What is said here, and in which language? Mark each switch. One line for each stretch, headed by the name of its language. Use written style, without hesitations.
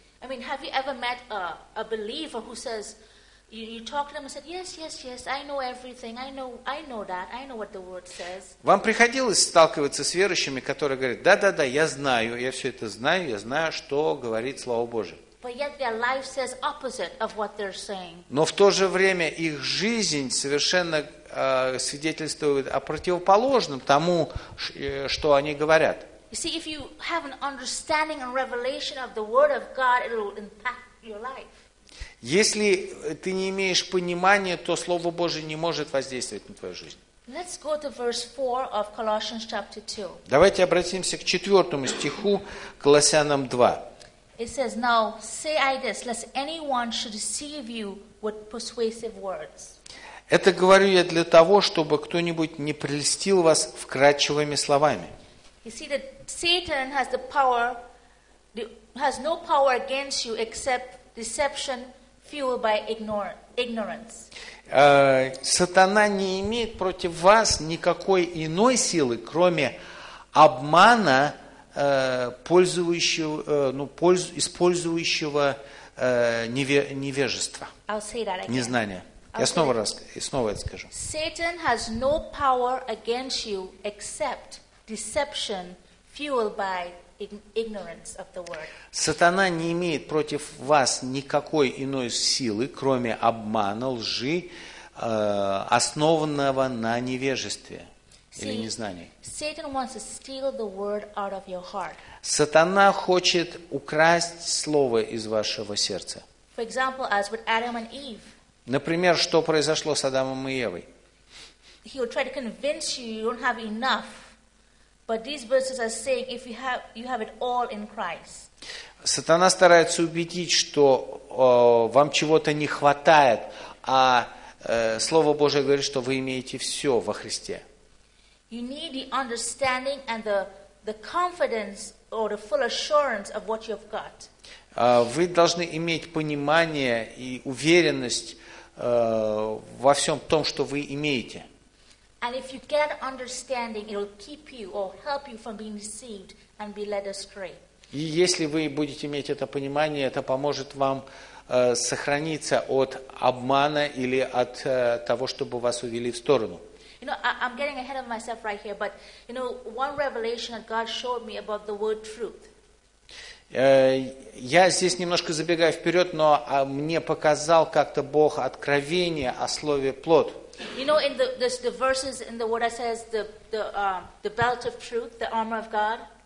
English: I mean, have you ever met a believer who says, you talk to them and said, yes, yes, yes, I know everything, I know that, I know what the word says.
Russian: Вам приходилось сталкиваться с верующими, которые говорят, да-да-да, я знаю, я все это знаю, я знаю, что говорит Слово Божие.
English: But yet their life says opposite of what they're saying.
Russian: Но в то же время их жизнь совершенно свидетельствует о противоположном тому, что они говорят.
English: You see, if you have an understanding and revelation of the Word of God, it will impact your life.
Russian: Если ты не имеешь понимания, то Слово Божие не может воздействовать на твою жизнь.
English: Let's go to verse 4 of Colossians chapter 2.
Russian: Давайте обратимся к 4 стиху Колоссянам 2.
English: It says, now say I this, lest anyone should deceive you with persuasive words.
Russian: Это говорю я для того, чтобы кто-нибудь не прельстил вас вкрадчивыми словами.
English: You see that Satan has the power, has no power against you except deception fueled by ignorance.
Russian: Сатана не имеет против вас никакой иной силы, кроме обмана, использующего невежества, незнания. Я снова раз и снова это скажу.
English: Satan has no power against you except deception fueled by ignorance of the word.
Russian: Сатана не имеет против вас никакой иной силы, кроме обмана, лжи, основанного на невежестве. Или незнание.
English: Satan wants to steal the word out of your heart.
Russian: Сатана хочет украсть слово из вашего сердца.
English: For example, as with Adam and Eve.
Russian: Например, что произошло с Адамом и Евой?
English: He will try to convince you you don't have enough, but these verses are saying if you have it all in Christ.
Russian: Сатана старается убедить, что вам чего-то не хватает, а Слово Божие говорит, что вы имеете все во Христе.
English: You need the understanding and the confidence or the full assurance of what you've got.
Russian: Вы должны иметь понимание и уверенность во всем том, что вы имеете.
English: And if you get understanding, it will keep you or help you from being deceived and be led astray.
Russian: И если вы будете иметь это понимание, это поможет вам сохраниться от обмана или от того, чтобы вас увели в сторону.
English: You know, I'm getting ahead of myself right here, but you know, one revelation that God showed me about the word truth.
Russian: Я здесь немножко забегаю вперед, но мне показал как-то Бог откровение о слове плод.
English: You know, in the verses in the word that says the belt of truth, the armor of God.